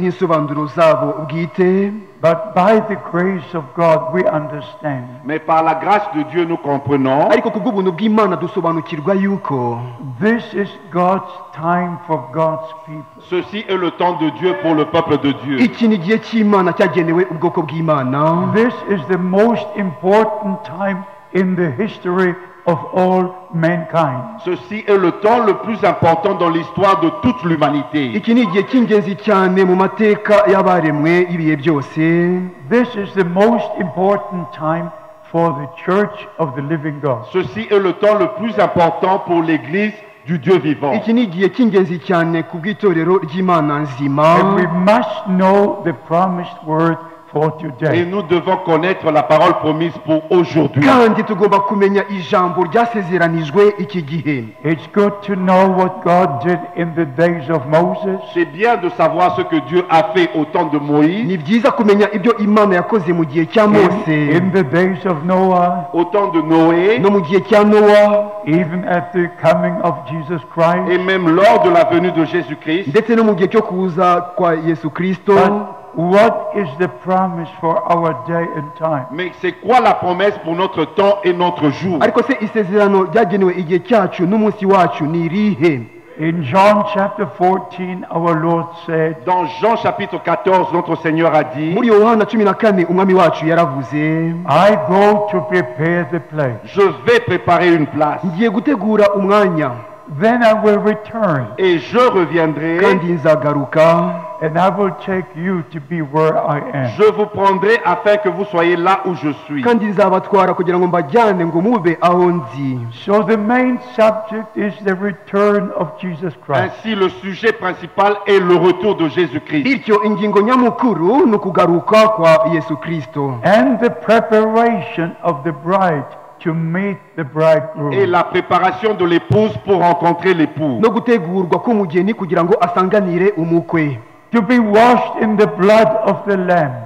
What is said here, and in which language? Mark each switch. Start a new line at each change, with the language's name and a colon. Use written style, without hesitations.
English: But by the grace of God, we understand.
French: Mais par la grâce de Dieu, nous comprenons.
Kinyarwanda: Ariko kugubuntu bw'Imana dusobanukirwa yuko.
English: This is God's time for God's people.
French: Ceci est le temps de Dieu pour le peuple de Dieu.
Kinyarwanda: Iki ni gihe cy'Imana cyagenewe ubwoko bw'Imana.
English: This is the most important time in the history of all mankind.
French: Ceci est le temps le plus important dans l'histoire de toute l'humanité.
Kinyarwanda: Iki ni gihe cy'ingenzi cyane mu mateka y'abaremwe ibihe byose.
English: This is the most important time for the Church of the Living God.
French: Ceci est le temps le plus important pour l'Église du Dieu vivant.
Kinyarwanda: Iki ni gihe cy'ingenzi cyane ku bw'itorero ry'Imana nzima.
English: And we must know the promised word.
French: Et nous devons connaître la parole promise pour aujourd'hui.
Kinyarwanda: Kandi tugomba kumenya ijambo ryasezeranijwe iki gihe.
English: It's good to know what God did in the days of Moses.
French: C'est bien de savoir ce que Dieu a fait au temps de Moïse.
Kinyarwanda: Ni byiza kumenya ibyo Imana yakoze mu gihe cya Mose.
English: In the days of Noah.
French: Au temps de Noé.
Kinyarwanda: No mu gihe cya Noah.
English: Even at the coming of Jesus Christ.
French: Et même lors de la venue de Jésus-Christ.
Kinyarwanda: Ndetse no mu gihe cyo kuza kwa Yesu Kristo.
English: What is the promise for our day and time?
French: Mais c'est quoi la promesse pour notre temps et notre jour?
Kinyarwanda: Ariko se isezerano ryagenewe igihe cyacu n'umunsi wacu ni irihe?
English: In John chapter 14, our Lord said.
French: Dans Jean chapitre 14, notre Seigneur a dit.
Kinyarwanda: Muri Yohana 14, umwami wacu yaravuze.
English: I go to prepare the place.
French: Je vais préparer une place.
Kinyarwanda: Ngiye gutegura umwanya.
English: Then I will return.
French: Et je reviendrai.
Kinyarwanda: Kandi nzagaruka.
English: And I will take you to be where I am.
French: Je vous prendrai afin que vous soyez là où je suis.
Kinyarwanda: Kandi nzabatwara kugira ngo mbajyane ngo mube aho nzi.
English: So the main subject is the return of Jesus Christ.
French: Ainsi le sujet principal est le retour de Jésus-Christ.
Kinyarwanda: Bityo ingingo nyamukuru ni kugaruka kwa Yesu Kristo.
English: And the preparation of the bride to meet the bridegroom.
French: Et la préparation de l'épouse pour rencontrer l'époux.
Kinyarwanda: No gutegurwa kumugeni kugira ngo asanganire umukwe.
English: To be washed in the blood of the lamb.